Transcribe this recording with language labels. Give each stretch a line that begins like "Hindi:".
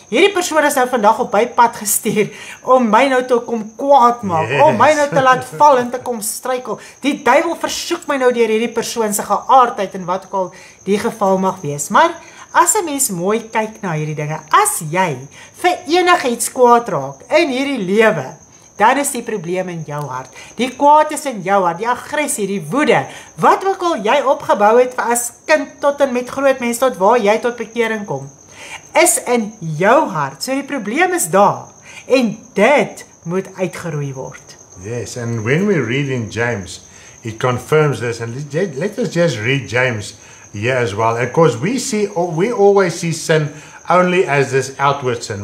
Afrikaans: hierdie persoon is nou vandag op my pad gestuur om my nou te kom kwaad maak, yes. om my nou te laat val en te kom struikel. Die duivel versoek my nou deur hierdie persoon se geaardheid en wat ook al die geval mag wees. Maar as 'n mens mooi kyk na hierdie dinge, as jy vir enigiets kwaad raak in hierdie lewe, dan is die probleem in jou hart. Die kwaad is in jou hart, die agressie, die woede, wat ook al jy opgebou het as kind tot en met groot mens, tot waar jy tot bekering kom, is in jou hart. So die probleem is daar. En dit moet uitgeroei word.
English: Yes, and when we read in James, it confirms this. And let us just read James here as well. Of course, we always see sin only as this outward sin.